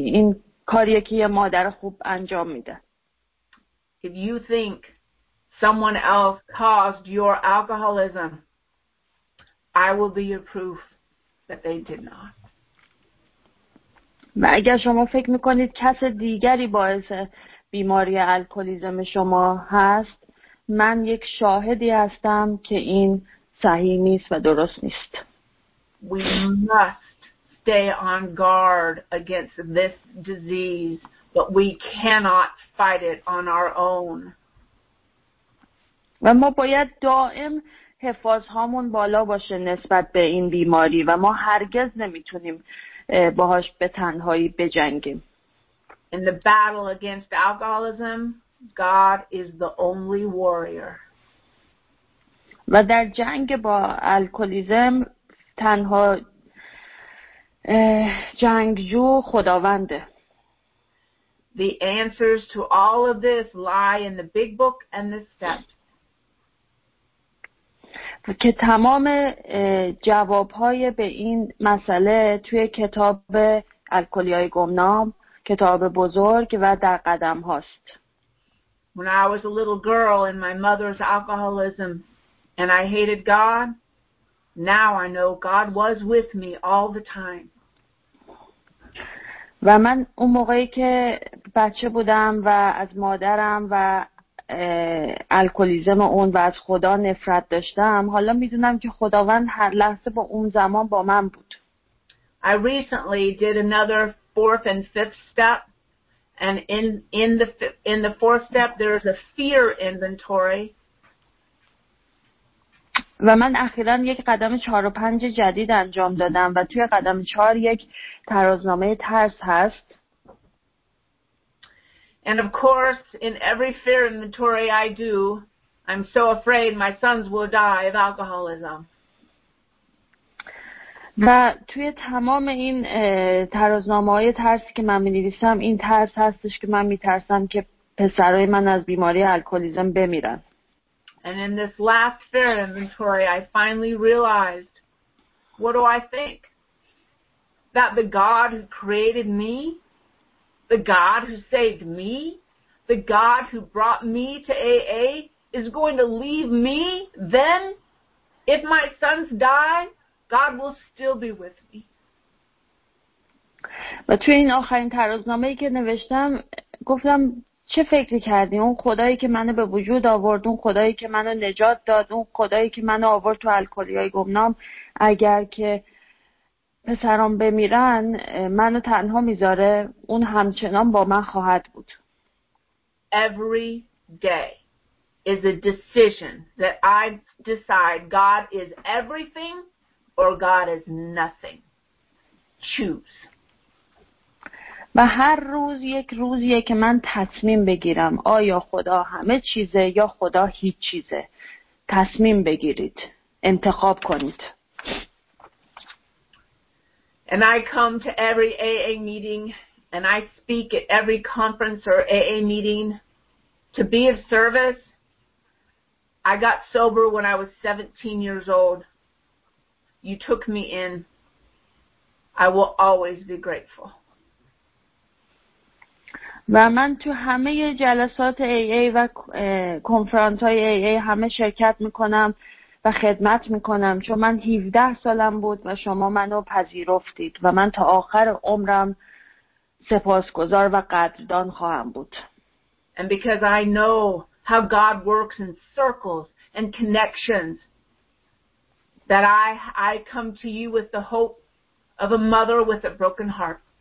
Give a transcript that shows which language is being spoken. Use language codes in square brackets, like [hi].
[fa] این کاریه که یه مادر خوب انجام میده. [en] If you think someone else caused your alcoholism, I will be your proof that they did not. [fa] و اگر شما فکر میکنید کس دیگری باعث بیماری الکلیزم شما هست، من یک شاهدی هستم که این صحیح نیست و درست نیست. [en] We must stay on guard against this disease, but we cannot fight it on our own. [fa] و ما باید دائم حفاظهامون بالا باشه نسبت به این بیماری و ما هرگز نمیتونیم باهاش به تنهایی بجنگیم. [en] In the battle against alcoholism, God is the only warrior. [fa] و در جنگ با الکلیزم تنها جنگجو خداونده. [en] The answers to all of this lie in the big book and the steps. [fa] که تمام جوابهای به این مسئله توی کتاب الکلیای گمنام، کتاب بزرگ و در قدم هاست. [en] When I was a little girl in my mother's alcoholism and I hated God, now I know God was with me all the time. [fa] و من اون موقعی که بچه بودم و از مادرم و الکلیزم اون و از خدا نفرت داشتم، حالا میدونم که خداوند هر لحظه با اون زمان با من بود. [en] I recently did another fourth and fifth step, and in the fourth step there's a fear inventory. [fa] و من اخیراً یک قدم 4 و 5 جدید انجام دادم و توی قدم 4 یک ترازنامه ترس هست. [en] And of course, in every fear inventory I do, I'm so afraid my sons will die of alcoholism. [fa] و توی تمام این ترازنامه‌های ترسی که من می‌نویسم، این ترس هستش که من می‌ترسم که پسرای من از بیماری الکلیسم بمیرن. [en] And in this last fear inventory, I finally realized, what do I think? That the God who created me, the God who saved me, the God who brought me to AA is going to leave me? Then, if my sons die, God will still be with me. [fa] But توی این آخرین ترازنامه‌ای که نوشتم، گفتم چه فکری کردی؟ اون خدایی که منو به وجود آورد، اون خدایی که منو نجات داد، اون خدایی که منو آورد تو الکلی های گمنام، اگر که پسرام بمیرن منو تنها میذاره، اون همچنان با من خواهد بود. [en] Every day is a decision that I decide God is everything or God is nothing. Choose. [fa] و هر روز یک روزیه که من تصمیم بگیرم آیا خدا همه چیزه یا خدا هیچ چیزه. تصمیم بگیرید، انتخاب کنید. [en] And I come to every AA meeting and I speak at every conference or AA meeting to be of service. I got sober when I was 17 years old. You took me in. I will always be grateful. [fa] و من تو همه جلسات AA و کنفرانس های AA همه شرکت میکنم و خدمت میکنم، چون من 17 سالم بود و شما منو پذیرفتید و من تا آخر عمرم سپاسگزار و قدردان خواهم بود. [en] And because I know how God works in circles and connections, that I come to you with the hope of a mother with a broken heart.